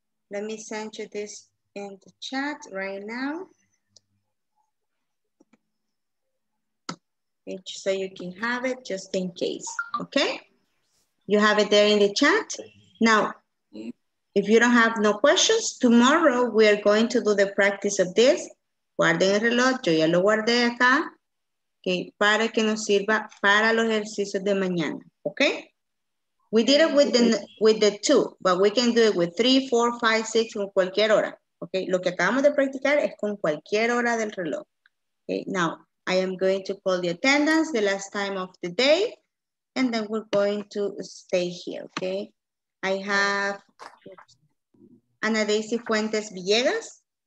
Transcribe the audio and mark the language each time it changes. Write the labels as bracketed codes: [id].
[en] Let me send you this in the chat right now. So you can have it just in case, okay? You have it there in the chat. Now, if you don't have no questions, tomorrow we are going to do the practice of this. [es] Guarden el reloj, yo ya lo guardé acá, okay, para que nos sirva para los ejercicios de mañana, okay? [en] We did it with the two, but we can do it with 3, 4, 5, 6, [es] con cualquier hora, [en] okay? [es] Lo que acabamos de practicar es con cualquier hora del reloj, okay? [en] Now, I am going to call the attendance the last time of the day, and then we're going to stay here, okay? I have Ana Daisy Fuentes Villegas.